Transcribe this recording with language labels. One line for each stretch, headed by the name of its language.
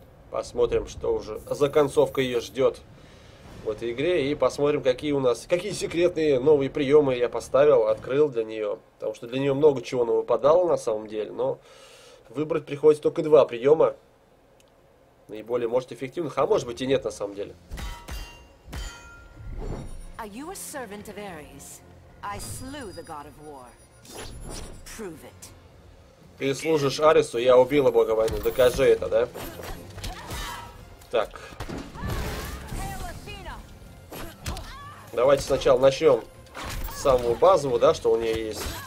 Russian: Посмотрим, что уже за концовка ее ждет в этой игре, и посмотрим, какие у нас, какие секретные новые приемы я поставил, открыл для нее. Потому что для нее много чего навыпадало на самом деле, но выбрать приходится только два приема. Наиболее, может, эффективных, а может быть и нет на самом деле.
English: Are you a servant of Ares? I slew the god of war. Prove it.
Russian: Ты служишь Аресу, я убила бога войны. Докажи это, да? Так. Давайте сначала начнем с самого базового, да, что у нее есть.